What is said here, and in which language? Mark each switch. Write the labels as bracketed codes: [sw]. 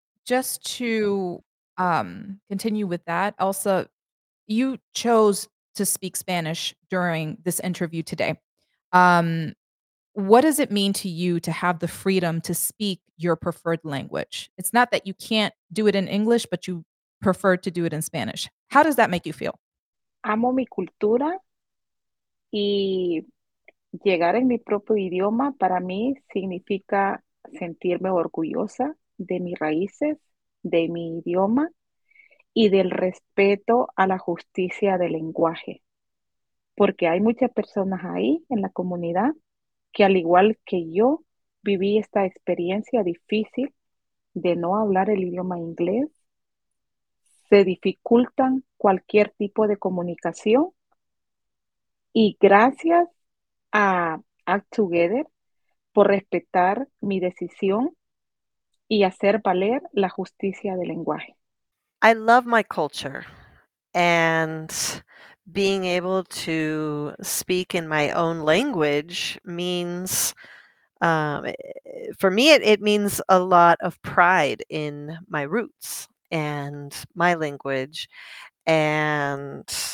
[en] Just to continue with that, Elsa, you chose to speak Spanish during this interview today. What does it mean to you to have the freedom to speak your preferred language? It's not that you can't do it in English, but you prefer to do it in Spanish. How does that make you feel? [es] Amo mi cultura y llegar en mi propio idioma para mí significa sentirme orgullosa de mis raíces, de mi idioma y del respeto a la justicia del lenguaje. Porque hay muchas personas ahí en la comunidad que al igual que yo viví esta experiencia difícil de no hablar el idioma inglés, se dificultan cualquier tipo de comunicación y gracias a UpTogether por respetar mi decisión y hacer valer la justicia del lenguaje. [en] I love my culture and being able to speak in my own language means, for me, it means a lot of pride in my roots and my language and